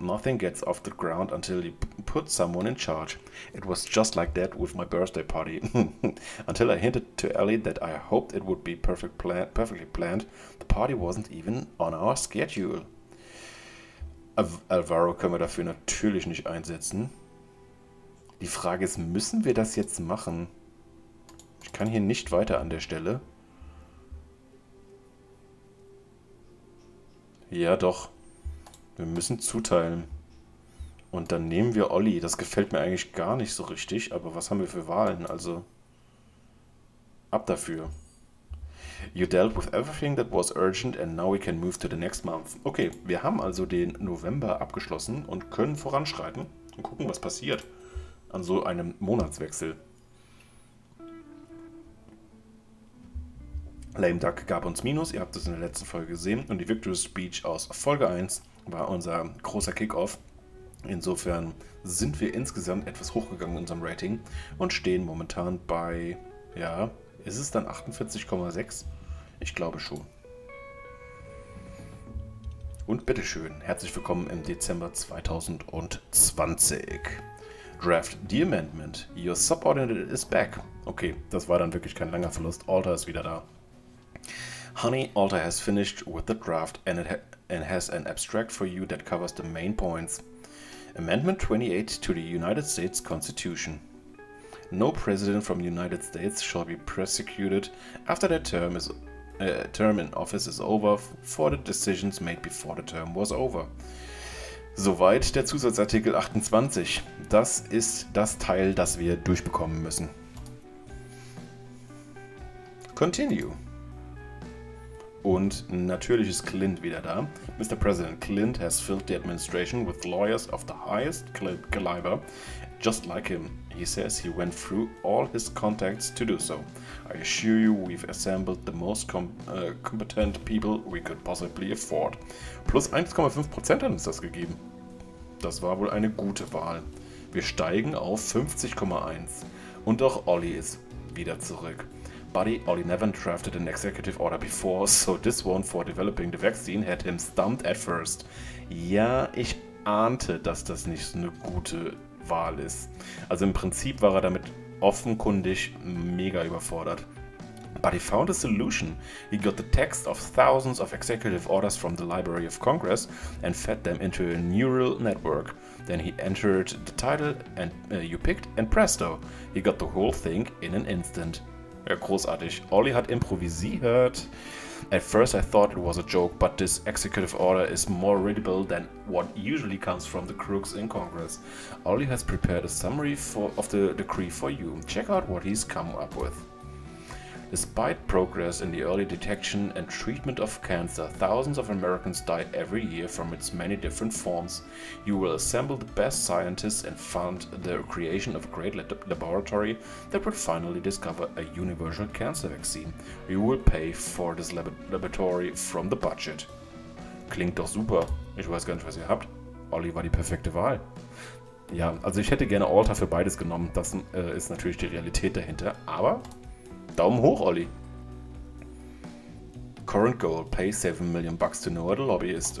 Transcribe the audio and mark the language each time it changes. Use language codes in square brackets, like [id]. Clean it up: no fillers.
[en] Nothing gets off the ground until you put someone in charge. It was just like that with my birthday party. Until I hinted to Ellie that I hoped it would be perfectly planned, the party wasn't even on our schedule. [de] Alvaro können wir dafür natürlich nicht einsetzen. Die Frage ist, müssen wir das jetzt machen? Ich kann hier nicht weiter an der Stelle. Ja, doch. Wir müssen zuteilen. Und dann nehmen wir Olli. Das gefällt mir eigentlich gar nicht so richtig. Aber was haben wir für Wahlen? Also, ab dafür. [en] You dealt with everything that was urgent and now we can move to the next month. [de] Okay, wir haben also den November abgeschlossen und können voranschreiten und gucken, was passiert an so einem Monatswechsel. Lame Duck gab uns Minus, ihr habt es in der letzten Folge gesehen. Und die Victory Speech aus Folge 1 war unser großer Kickoff. Insofern sind wir insgesamt etwas hochgegangen in unserem Rating und stehen momentan bei, ja, ist es dann 48,6? Ich glaube schon. Und bitteschön, herzlich willkommen im Dezember 2020. [en] Draft the Amendment. Your subordinate is back. [de] Okay, das war dann wirklich kein langer Verlust. Alter ist wieder da. [en] Honey, Alter has finished with the draft and has an abstract for you that covers the main points. Amendment 28 to the United States Constitution. No president from the United States shall be prosecuted after their term in office is over for the decisions made before the term was over. [de] Soweit der Zusatzartikel 28. Das ist das Teil, das wir durchbekommen müssen. [en] Continue. [de] Und natürlich ist Clint wieder da. Mr. [en] President, Clint has filled the administration with lawyers of the highest caliber, just like him. He says he went through all his contacts to do so. I assure you we've assembled the most competent people we could possibly afford. [de] Plus 1,5% hat uns das gegeben. Das war wohl eine gute Wahl. Wir steigen auf 50,1. Und auch Olli ist wieder zurück. [en] Buddy, Ollie never drafted an executive order before, so this one for developing the vaccine had him stumped at first. [de] Ja, ich ahnte, dass das nicht so eine gute Wahl ist. Also im Prinzip war er damit offenkundig mega überfordert. [en] But he found a solution. He got the text of thousands of executive orders from the Library of Congress and fed them into a neural network. Then he entered the title and you picked and presto, he got the whole thing in an instant. [de] Ja, großartig. Olli hat improvisiert. [en] At first I thought it was a joke, but this executive order is more readable than what usually comes from the crooks in Congress. Olli has prepared a summary of the decree for you. Check out what he's come up with. Despite progress in the early detection and treatment of cancer, thousands of Americans die every year from its many different forms. You will assemble the best scientists and fund the creation of a great laboratory that will finally discover a universal cancer vaccine. You will pay for this laboratory from the budget. [de] Klingt doch super. Ich weiß gar nicht, was ihr habt. Olli war die perfekte Wahl. Ja, also ich hätte gerne Alter für beides genommen. Das ist natürlich die Realität dahinter, aber Daumen hoch, Olli. [en] Current goal, pay 7 million bucks to know the lobbyist.